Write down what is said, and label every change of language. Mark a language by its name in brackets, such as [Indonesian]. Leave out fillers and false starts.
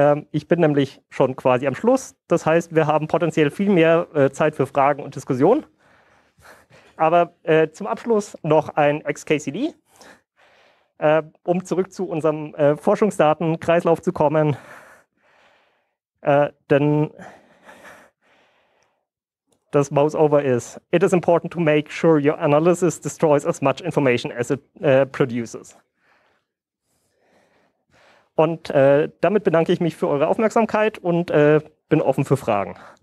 [German] Ich bin nämlich schon quasi am Schluss. Das heißt, wir haben potenziell viel mehr Zeit für Fragen und Diskussionen. Aber zum Abschluss noch ein XKCD. Um zurück zu unserem Forschungsdatenkreislauf zu kommen. Denn das Mouseover ist, [English] it is important to make sure your analysis destroys as much information as it produces. [German] Und damit bedanke ich mich für eure Aufmerksamkeit und bin offen für Fragen.